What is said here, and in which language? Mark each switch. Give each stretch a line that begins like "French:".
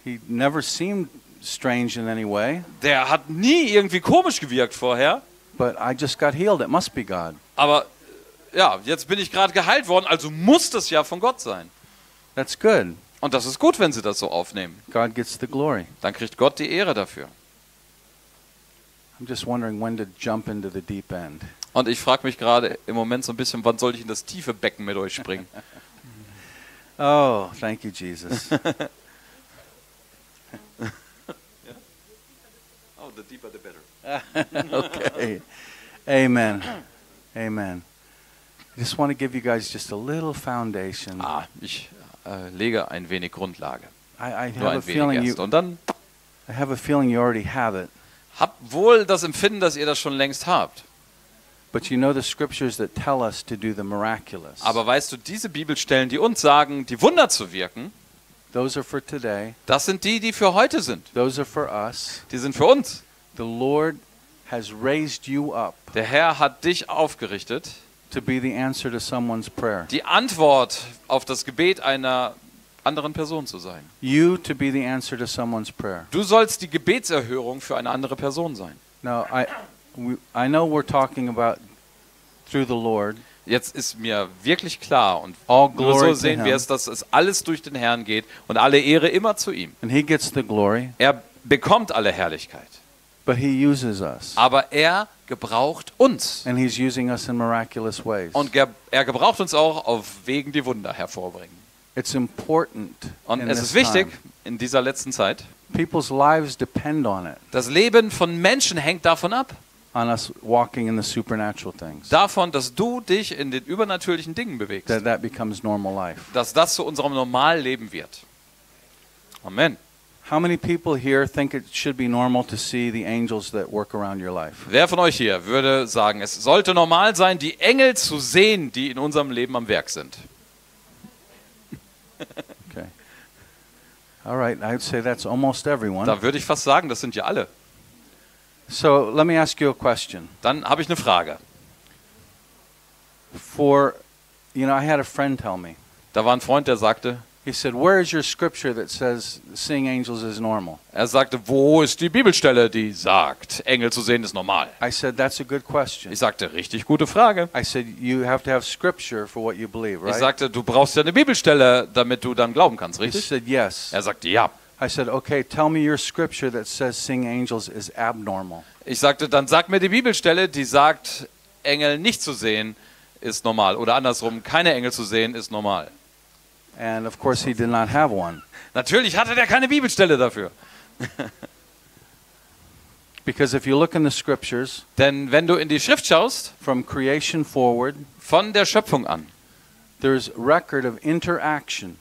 English: He never seemed strange in any way.
German: Der hat nie irgendwie komisch gewirkt vorher.
English: But I just got healed. It must be God.
German: Aber ja, jetzt bin ich gerade geheilt worden, also muss das ja von Gott sein.
English: That's good.
German: Und das ist gut, wenn sie das so aufnehmen.
English: God gets the glory.
German: Dann kriegt Gott die Ehre dafür.
English: I'm just wondering when to jump into the deep end.
German: Und ich frage mich gerade im Moment so ein bisschen, wann soll ich in das tiefe Becken mit euch springen?
English: Oh, thank you, Jesus. Yeah. Oh, the deeper the better. Okay. Amen. Amen. I just want to give you guys just a little foundation.
German: Ah, ich lege ein wenig Grundlage.
English: I have a feeling
German: erst. Und dann?
English: I have a feeling you already have it.
German: Hab wohl das Empfinden, dass ihr das schon längst habt.
English: But you know the scriptures that tell us to do the miraculous.
German: Aber weißt du, diese Bibelstellen, die uns sagen, die Wunder zu wirken,
English: those are for today.
German: Das sind die, die für heute sind.
English: Those are for us.
German: Die sind für uns.
English: The Lord has raised you up.
German: Der Herr hat dich aufgerichtet,
English: to be the answer to someone's prayer.
German: Die Antwort auf das Gebet einer anderen Person zu sein.
English: You to be the answer to someone's prayer.
German: Du sollst die Gebetserhörung für eine andere Person sein.
English: Now I know we're talking about through the Lord.
German: Jetzt ist mir wirklich klar und
English: all glory,
German: nur so sehen wir es, dass es alles durch den Herrn geht und alle Ehre immer zu ihm.
English: And he gets the glory.
German: Er bekommt alle Herrlichkeit.
English: But he uses us.
German: Aber er gebraucht uns.
English: And he's using us in miraculous ways.
German: Und er gebraucht uns auch auf Wegen, die Wunder hervorbringen.
English: It's important.
German: Und es ist wichtig in dieser letzten Zeit.
English: People's lives depend on it.
German: Das Leben von Menschen hängt davon ab.
English: On us walking in the supernatural things.
German: Davon, dass du dich in den übernatürlichen Dingen bewegst.
English: That becomes normal life.
German: Dass das zu unserem normalen Leben wird. Amen.
English: How many people here think it should be normal to see the angels that work around your life?
German: Wer von euch hier würde sagen, es sollte normal sein, die Engel zu sehen, die in unserem Leben am Werk sind?
English: Okay. All right, I'd say that's almost everyone.
German: Da würde ich fast sagen, das sind ja alle.
English: So, let me ask you a question.
German: Dann habe ich eine Frage.
English: For, you know, I had a friend tell me.
German: Da war ein Freund, der sagte,
English: he said, where is your scripture that says seeing angels is normal?
German: Er sagte, wo ist die Bibelstelle, die sagt, Engel zu sehen ist normal?
English: I said, that's a good question.
German: Ich sagte, richtig gute Frage.
English: I said, you have to have scripture for what you believe, right?
German: Ich sagte, du brauchst ja eine Bibelstelle, damit du dann glauben kannst, richtig?
English: He said, yes.
German: Er sagte, ja.
English: I said, okay, tell me your scripture that says seeing angels is abnormal.
German: Ich sagte, dann sag mir die Bibelstelle, die sagt, Engel nicht zu sehen ist normal, oder andersrum, keine Engel zu sehen ist normal.
English: And of course he did not have one.
German: Natürlich hatte der keine Bibelstelle dafür.
English: Because if you look in the scriptures,
German: denn wenn du in die Schrift schaust,
English: from creation forward,
German: von der Schöpfung an,
English: there's record of interaction.